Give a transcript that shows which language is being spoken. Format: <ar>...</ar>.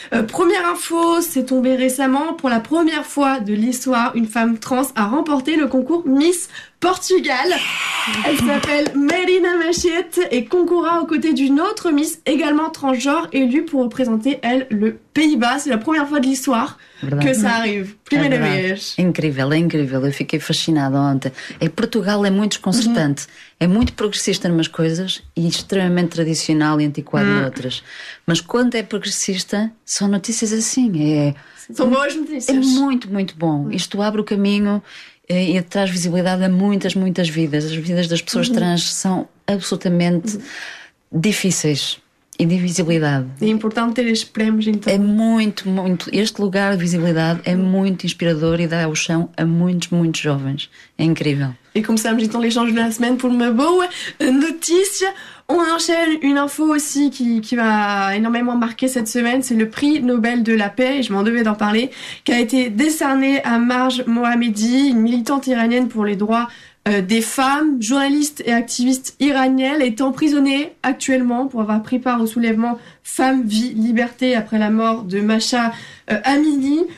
<fr>Première info, c'est tombé récemment. Pour la première fois de l'histoire, une femme trans a remporté le concours Miss Portugal. Elle s'appelle Marina Machete et concourra aux côtés d'une autre Miss également transgenre élue pour représenter, elle, le Pays-Bas. C'est la première fois de l'histoire que ça arrive.</fr> <pt>Primeira vez. Incrível, incrível. Eu fiquei fascinada ontem.</pt> <fr>Et Portugal est</fr> <pt>muito desconcertante. É muito progressista numas coisas e extremamente tradicional e antiquado noutras. Mas quando é progressista, são notícias assim. São boas notícias. É muito, muito bom. Isto abre o caminho e traz visibilidade a muitas, muitas vidas. As vidas das pessoas trans são absolutamente difíceis e de visibilidade. É importante ter estes prémios, então. É muito, muito. Este lugar de visibilidade é muito inspirador e dá o chão a muitos, muitos jovens. É incrível. E começamos então o</pt> <fr>échange de la semaine</fr> <pt>por uma boa notícia.</pt> <fr>On enchaîne une info aussi qui m'a énormément marqué cette semaine, c'est le prix Nobel de la paix, je m'en devais d'en parler, qui a été décerné à Marj Mohammadi, une militante iranienne pour les droits des femmes, journaliste et activiste iranienne, est emprisonnée actuellement pour avoir pris part au soulèvement Femmes, Vie, Liberté après la mort de Mahsa Amini.</fr>